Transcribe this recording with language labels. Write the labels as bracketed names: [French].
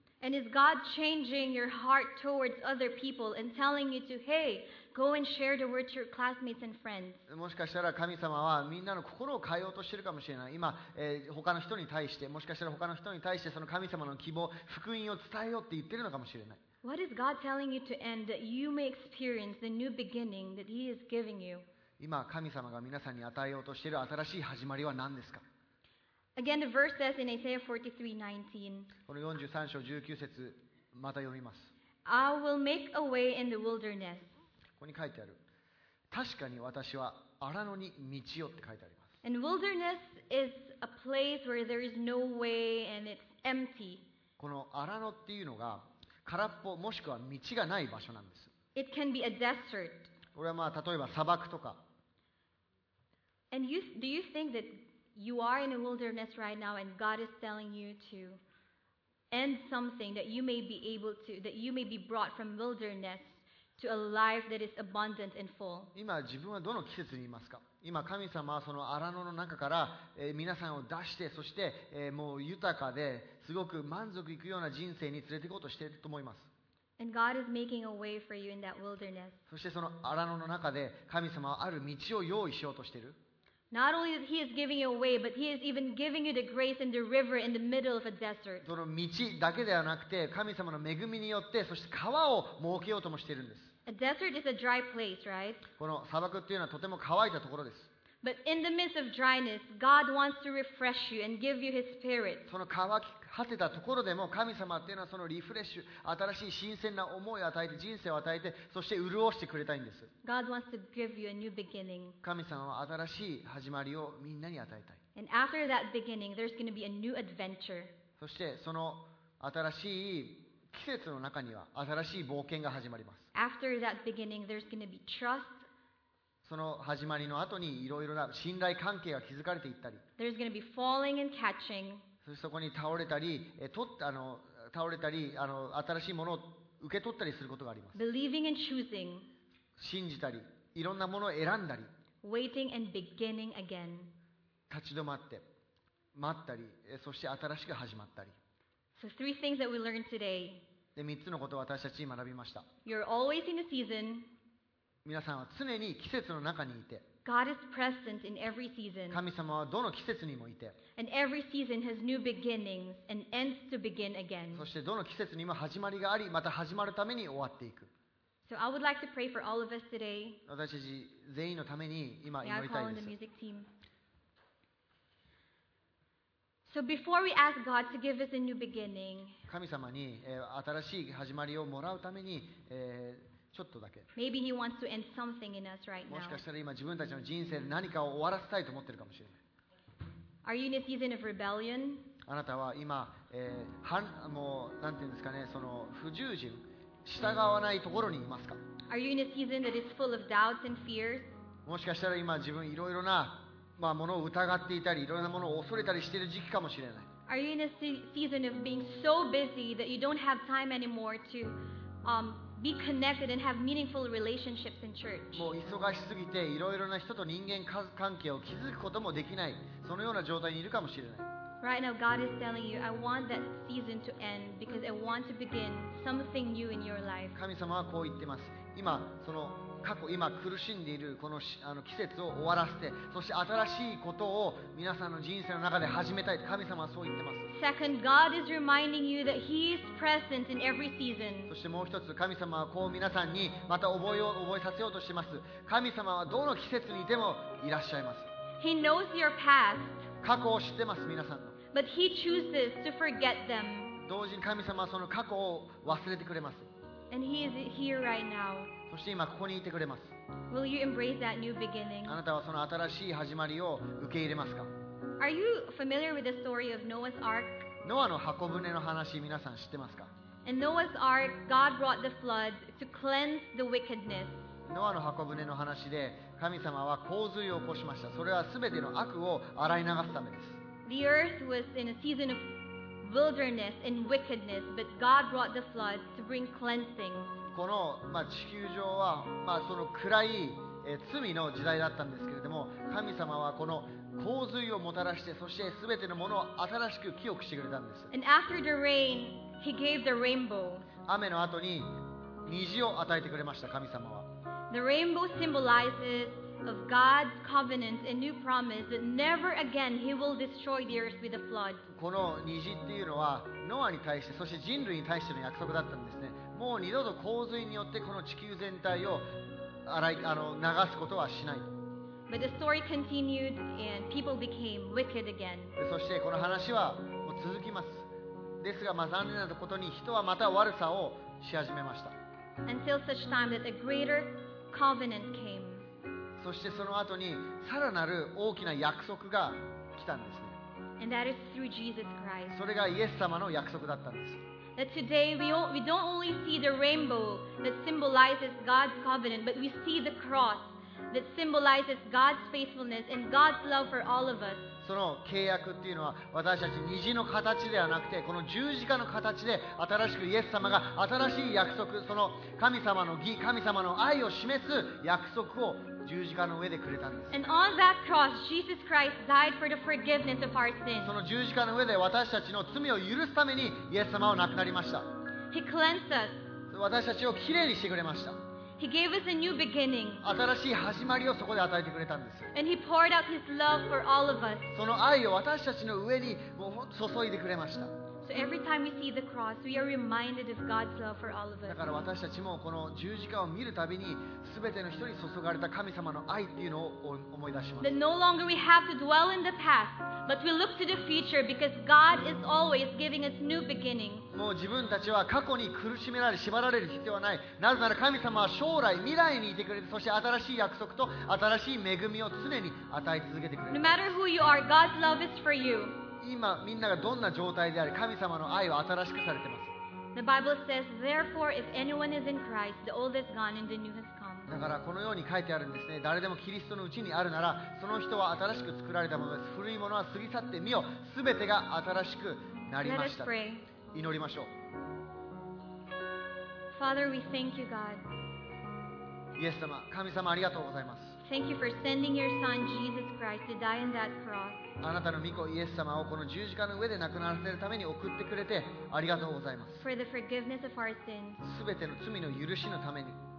[English] And is God changing your heart towards other people and telling you to, hey, go and share the word to your classmates and friends? [Japanese] もしかしたら神様はみんなの心を変えようとしているかもしれない。今、他の人に対して、もしかしたら他の人に対してその神様の希望、福音を伝えようって言ってるのかもしれない。 [English] What is God telling you to end that you may experience the new beginning that He is giving you? [Japanese] 今、神様が皆さんに与えようとしている新しい始まりは何ですか? [English] Again, the verse says in Isaiah 43:19. [Japanese] この43章19節、また読みます。 [English] I will make a way in the wilderness. [Japanese] ここに書いてある。確かに私は荒野に道をって書いてあります。 [English] And wilderness is a place where there is no way and it's empty. [Japanese] この荒野っていうのが空っぽもしくは道がない場所なんです。 [English] It can be a desert. [Japanese] これはまあ例えば砂漠とか。 [English] And you, do you think that you are in a wilderness right now and God is telling you to end something that you may be able to, that you may be brought from wilderness to a life that is abundant and full? [Japanese] 今自分はどの季節にいますか？今神様はその荒野の中から、皆さんを出して、そして、もう豊かですごく満足いくような人生に連れて行こうとしていると思います。 [English] And God is making a way for you in that wilderness. [Japanese] そしてその荒野の中で神様はある道を用意しようとしている。 [English] Not only is He is giving you a way, but He is even giving you the grace in the river in the middle of a desert. [Japanese] その道だけではなくて、神様の恵みによって、そして川を設けようともしているんです。 [English] A desert is a dry place, right? [Japanese] この砂漠っていうのはとても乾いたところです。 [English] But in the midst of dryness, God wants to refresh you and give you His Spirit. [Japanese] その乾き果てたところでも神様っていうのはそのリフレッシュ、新しい新鮮な思いを与えて、人生を与えて、そして潤してくれたいんです。 [English] God wants to give you a new beginning. [Japanese] 神様は新しい始まりをみんなに与えたい。 [English] And after that beginning, there's going to be a new adventure. [Japanese] そしてその新しい季節の中には新しい冒険が始まります。 [English] After that beginning, there's going to be trust. [Japanese] その始まりの後にいろいろな信頼関係が築かれていったり、 [English] There's going to be falling and catching. [Japanese] そしてそこに倒れたり、倒れたり、新しいものを受け取ったりすることがあります。 [English] Believing and choosing. [Japanese] 信じたり、いろんなものを選んだり、 [English] Waiting and beginning again. [Japanese] 立ち止まって、待ったり、そして新しく始まったり。 [English] So three things that we learned today. [Japanese] で、3つのことを私たちに学びました。 [English] You're always in a season. [Japanese] 皆さんは常に季節の中にいて、 [English] God is present in every season. [Japanese] 神様はどの季節にもいて、 [English] and every season has new beginnings and ends to begin again. [Japanese] そしてどの季節にも始まりがあり、また始まるために終わっていく。 [English] So I would like to pray for all of us today. [Japanese] 私たち全員のために今祈りたいです。 [English] May I call on the music team? So before we ask God to give us a new beginning, [Japanese] 神様に、新しい始まりをもらうために、ちょっとだけ。 [English] Maybe he wants to end something in us right now. [Japanese] もしかしたら今自分たちの人生で何かを終わらせたいと思ってるかもしれない。 [English] Are you in a season of rebellion? [Japanese] あなたは今、もうなんていうんですかね、その不従順、従わないところにいますか。 [English] Are you in a season that is full of doubts and fears? [Japanese] もしかしたら今自分いろいろな、まあ、ものを疑っていたり、いろんなものを恐れたりしている時期かもしれない。 [English] Are you in a season of being so busy that you don't have time anymore to, be connected and have meaningful relationships in church. [Japanese] もう忙しすぎていろいろな人と人間関係を築くこともできない、そのような状態にいるかもしれない。 [English] Right now, God is telling you, I want that season to end because I want to begin something new in your life. [Japanese] 神様はこう言ってます。今その過去、今苦しんでいるこの、季節を終わらせて、そして新しいことを皆さんの人生の中で始めたい。神様はそう言ってます。 [English] Second, God is reminding you that He is present in every season. [Japanese] そしてもう一つ、神様はこう皆さんにまた覚えさせようとしています。神様はどの季節にでもいらっしゃいます。 [English] He knows your past. [Japanese] 過去を知ってます、皆さんの。 [English] But He chooses to forget them. [Japanese] 同時に神様はその過去を忘れてくれます。 [English] And He is here right now. [Japanese] そして今ここにいてくれます。 [English] Will you embrace that new beginning? [Japanese] あなたはその新しい始まりを受け入れますか? [English] Are you familiar with the story of Noah's Ark? [Japanese] ノアの箱舟の話、皆さん知ってますか? [English] In Noah's Ark, God brought the flood to cleanse the wickedness. [Japanese] ノアの箱舟の話で、神様は洪水を起こしました。それはすべての悪を洗い流すためです。 [English] The earth was in a season of wilderness and wickedness, but God brought the flood to bring cleansing. [Japanese] この、まあ、地球上は、まあ、その暗い、罪の時代だったんですけれども、神様はこの洪水をもたらして、そして全てのものを新しく清くしてくれたんです。 [English] And after the rain, he gave the rainbow. [Japanese] 雨の後に虹を与えてくれました。神様は [English] The rainbow symbolizes of God's covenant and new promise that never again he will destroy the earth with a flood. [Japanese] この虹っていうのはノアに対して、そして人類に対しての約束だったんですね。もう二度と洪水によってこの地球全体を流すことはしない。 [English] But the story continued and people became wicked again. [Japanese] そしてこの話は続きます。ですが、まあ、残念なことに人はまた悪さをし始めました。 [English] Until such time that a greater covenant came. [Japanese] そしてその後にさらなる大きな約束が来たんですね。 [English] And that is through Jesus Christ. [Japanese] それがイエス様の約束だったんです。 [English] That today we don't only see the rainbow that symbolizes God's covenant, but we see the cross that symbolizes God's faithfulness and God's love for all of us. [Japanese] その契約っていうのは私たち虹の形ではなくてこの十字架の形で新しくイエス様が新しい約束その神様の義神様の愛を示す約束を十字架の上でくれたんです。 [English] And on that cross, Jesus Christ died for the forgiveness of our sins. [Japanese] その十字架の上で私たちの罪を許すためにイエス様は亡くなりました。 [English] He cleansed us. [Japanese] 私たちをきれいにしてくれました。 [English] He gave us a new beginning. [Japanese] 新しい始まりをそこで与えてくれたんです。 [English] And he poured out his love for all of us. [Japanese] その愛を私たちの上にもう注いでくれました。 [English] So every time we see the cross, we are reminded of God's love for all of us. [Japanese] だから私たちもこの十字架を見るたびに、すべての人に注がれた神様の愛っていうのを思い出します。 [English] That no longer we have to dwell in the past, but we look to the future because God is always giving us new beginnings. [Japanese] もう自分たちは過去に苦しめられ、縛られる必要はない。なぜなら神様は将来、未来にいてくれて、そして新しい約束と新しい恵みを常に与え続けてくれる。 [English] No matter who you are, God's love is for you. [Japanese] 今みんながどんな状態であり神様の愛は新しくされています。 [English] The Bible says, therefore, if anyone is in Christ, the old is gone and the new has come. [Japanese] だからこのように書いてあるんですね。誰でもキリストのうちにあるなら、その人は新しく作られたものです。古いものは過ぎ去ってみよ、すべてが新しくなりました。 [English] Let us pray. [Japanese] 祈りましょう。 [English] Father, we thank you, God. [Japanese] イエス様、神様ありがとうございます。 [English] Thank you for sending your Son, Jesus Christ, to die on that cross. [Japanese] あなたの御子イエス様をこの十字架の上で亡くならせるために送ってくれてありがとうございます。 [English] For the forgiveness of our sins. [Japanese] 全ての罪の許しのために